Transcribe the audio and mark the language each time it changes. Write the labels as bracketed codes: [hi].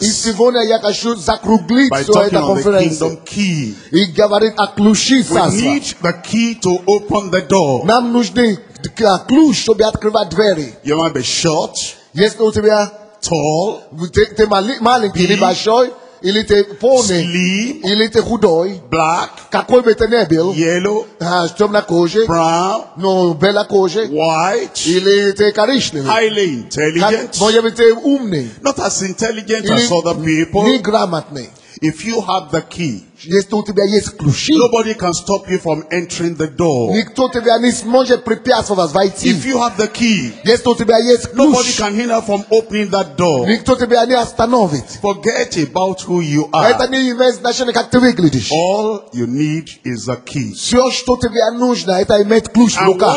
[ru] И сегодня я хочу закруглить всю эту конференцию. [en] By talking on the kingdom key. [ru] И говорить о ключе царства. [en] We need the key to open the door. [ru] Нам нужны ключ, чтобы открывать двери. [en] You might be short. [ru] Если у тебя [en] tall. [ru] Ты маленький или большой. Или ты полный, [en] slim, [ru] или ты худой, [en] black, [ru] какой бы ты не был, [en] yellow, [ru] темная кожа, [en] brown, [ru] но белая кожа, [en] white, [ru] или ты коричневый, [en] highly intelligent, [ru] может быть ты умный, [en] not as intelligent as other people, [ru] не грамотный. [en] If you have the key, [ru] если у тебя есть ключи, [en] nobody can stop you from entering the door. [ru] Никто тебя не сможет препятствовать вас войти. [en] If you have the key, [ru] если у тебя есть ключ, [en] nobody can hinder from opening that door. [ru] Никто тебя не остановит. [en] Forget about who you are. [ru] Это не имеет значения, как ты выглядишь. [en] All you need is a key. [ru] Все, что тебе нужно, это иметь ключ в руках.